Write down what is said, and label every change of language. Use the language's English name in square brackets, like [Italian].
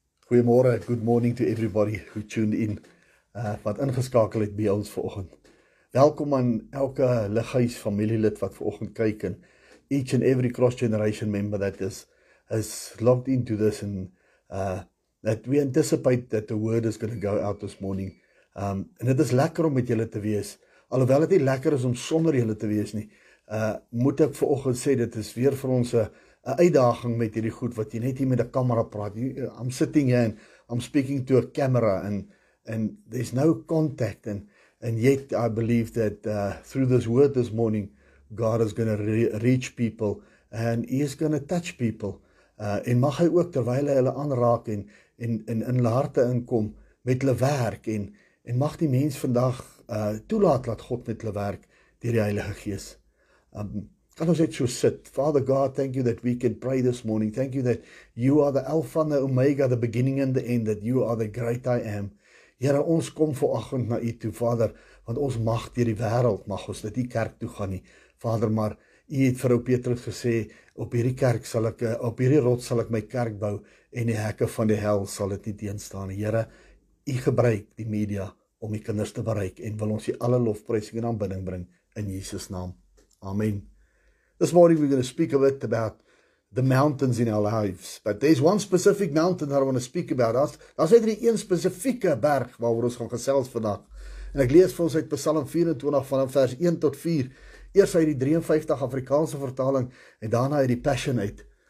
[Afrikaans] Goeiemôre, [English] good morning to everybody who tuned in. [Afrikaans] Wat ingeskakel het by ons vanoggend. Welkom aan elke lighuis familielid wat vanoggend kyk en [English] each and every cross generation member that is locked into this and that we anticipate that the word is going to go out this morning. [Afrikaans] En dit is lekker om met julle te wees. Alhoewel dit nie lekker is om sonder julle te wees nie. Moet ek vanoggend sê dit is weer vir ons 'n uitdaging met hierdie goed wat jy net hier met 'n kamera praat. [English] I'm sitting here and I'm speaking to a camera and there's no contact and yet I believe that through this word this morning God is going to reach people and he is going to touch people. [Afrikaans] En mag hy ook terwyl hy hulle aanraak en in hulle harte inkom met hulle werk en mag die mens vandag toelaat dat God met hulle werk deur die Heilige Gees. Kan ons net so sit. [English] Father God, thank you that we can pray this morning. Thank you that you are the Alpha and the Omega, the beginning and the end, that you are the great I am. [Afrikaans] Here, ons kom vanoggend na u toe, Vader, want ons mag deur die wêreld, mag ons dit die kerk toe gaan nie. Vader, maar u het vir ou Petrus gesê, op hierdie rots sal ek my kerk bou en die hekke van die hel sal dit nie teenstaan. Here, u gebruik die media om die kinders te bereik en wil ons u alle lofprysing en aanbidding bring in Jesus naam. Amen. [English] This morning we're going to speak a bit about the mountains in our lives. But there's one specific mountain that I want to speak about. [Afrikaans] Daar's net 'n spesifieke berg waaroor ons gaan gesels vandag. En ek lees vir ons uit Psalm 24 vanaf vers 1 tot 4. Eers uit die 53 Afrikaanse vertaling en daarna uit die Passion uit.